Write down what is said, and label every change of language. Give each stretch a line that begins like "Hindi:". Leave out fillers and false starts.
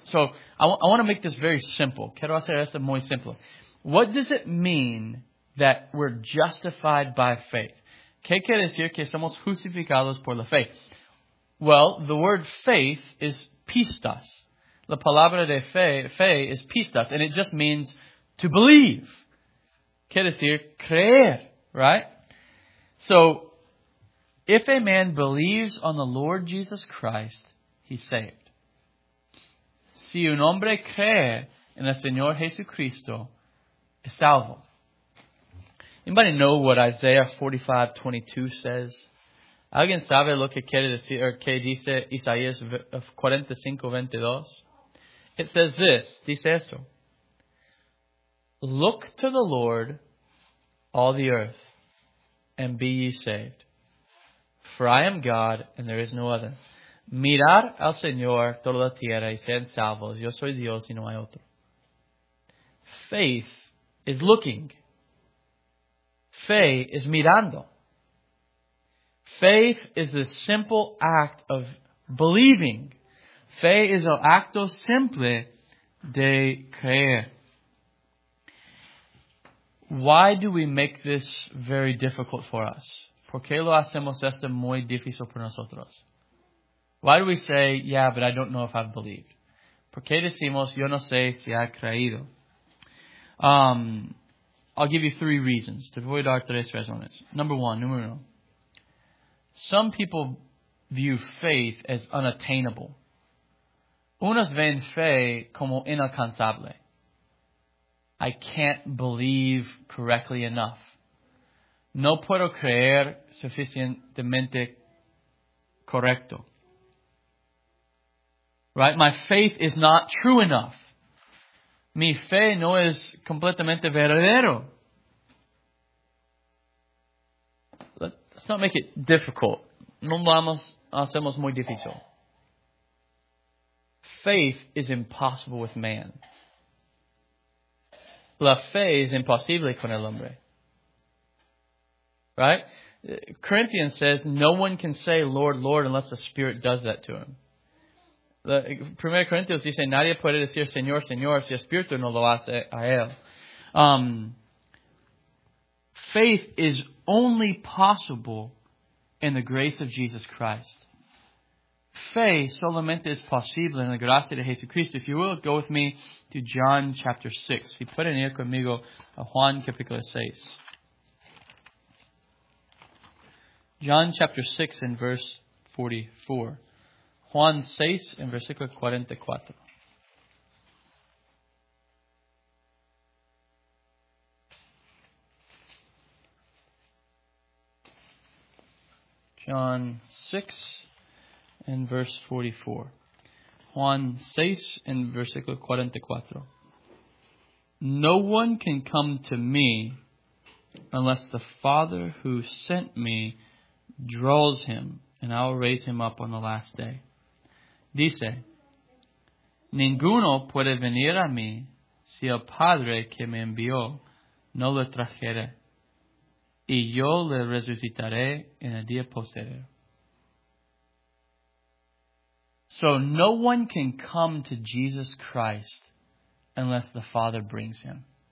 English: So, I want to make this very simple.
Spanish: Quiero hacer esto muy simple.
English: What does it mean that we're justified by faith?
Spanish: ¿Qué quiere decir que somos justificados por la fe?
English: Well, the word faith is pistas.
Spanish: La palabra de fe
English: is pistas. And it just means to believe.
Spanish: Quiere decir creer,
English: right? So, if a man believes on the Lord Jesus Christ, he's saved. Si un hombre cree en el Señor Jesucristo, es salvo. Anybody know what Isaiah 45:22 says?
Spanish: ¿Alguien sabe lo que quiere decir o qué dice Isaías 45:22?
English: It says this.
Spanish: Dice esto.
English: Look to the Lord, all the earth, and be ye saved. For I am God, and there is no other.
Spanish: Mirar al Señor toda la tierra y sean salvos. Yo soy Dios y no hay otro.
English: Faith is looking. Fe is mirando. Faith is the simple act of believing.
Spanish: Fe es el acto simple de creer.
English: Why do we make this very difficult for us?
Spanish: ¿Por qué lo hacemos esto muy difícil para nosotros?
English: Why do we say, yeah, but I don't know if I've believed?
Spanish: ¿Por qué decimos, yo no sé si he creído?
English: I'll give you three reasons.
Spanish: Te voy dar tres razones.
English: Number one,
Spanish: número uno.
English: Some people view faith as unattainable.
Spanish: Unos ven fe como inalcanzable.
English: I can't believe correctly enough.
Spanish: No puedo creer suficientemente correcto.
English: Right? My faith is not true enough.
Spanish: Mi fe no es completamente verdadero.
English: Let's not make it difficult.
Spanish: No vamos, hacemos muy difícil.
English: Faith is impossible with man.
Spanish: La fe es imposible con el hombre.
English: Right? Corinthians says, no one can say, Lord, Lord, unless the Spirit does that to him.
Spanish: Primera Corintios dice, nadie puede decir Señor, Señor, si el Espíritu no lo hace a él.
English: Faith is only possible in the grace of Jesus Christ.
Spanish: Fe solamente es posible en la gracia de Jesucristo.
English: If you will, go with me to John chapter 6.
Spanish: Si pueden ir conmigo a Juan capítulo 6.
English: John chapter 6 and verse 44.
Spanish: Juan 6, en versículo 44.
English: John 6, en verse 44.
Spanish: Juan 6, en versículo 44.
English: No one can come to me unless the Father who sent me draws him, and I will raise him up on the last day.
Spanish: Dice, ninguno puede venir a mí si el Padre que me envió no lo trajere, y yo le resucitaré en el día posterior.
English: So no one can come to Jesus Christ unless the Father brings him.